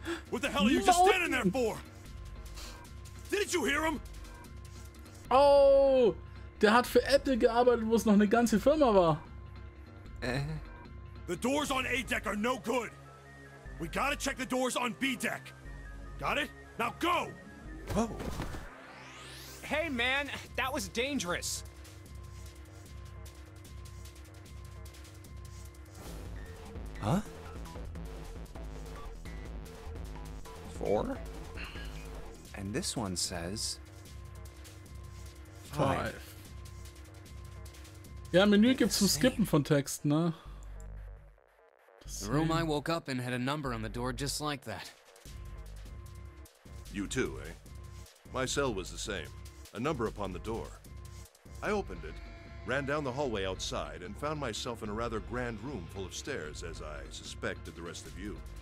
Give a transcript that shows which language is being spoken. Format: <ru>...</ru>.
<en>What the hell are you just standing there for? Didn't you hear him? Oh!</en> <de>Der hat für Apple gearbeitet, wo es noch eine ganze Firma war.</de> <en>The doors on A-Deck are no good. We gotta check the doors on B-Deck. Got it? Now go! Whoa. Hey man, that was dangerous. Huh? Four? And this one says... Five.</en> <de>Ja, Menü gibt's zum Skippen von Text, ne?</de> <en>The room I woke up in had a number on the door just like that. You too, eh? My cell was the same. A number upon the door. I opened it, ran down the hallway outside, and found myself in a rather grand room full of stairs, as I suspect did the rest of you.</en>